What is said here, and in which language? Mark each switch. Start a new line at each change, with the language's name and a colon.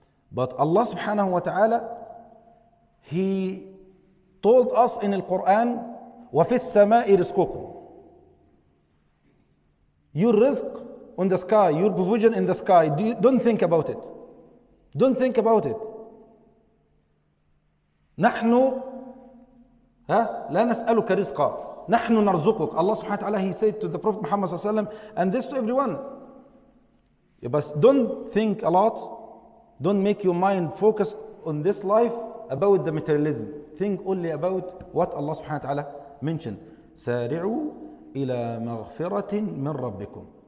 English: But Allah subhanahu wa ta'ala, He told us in the Quran,
Arabic: وَفِي السَّمَاءِ رِزْقُكُمْ.
English: Your risk on the sky, your provision in the sky, don't think about it. Don't think about it.
Arabic: نحن لا نسألك رزقا نحن نرزقك.
English: Allah subhanahu wa ta'ala, He said to the Prophet Muhammad sallallahu alayhi wa sallam, and this to everyone. But don't think a lot. Don't make your mind focus on this life about the materialism. Think only about what Allah subhanahu wa ta'ala mentioned.
Arabic: سارعوا إلى مغفرة من ربكم.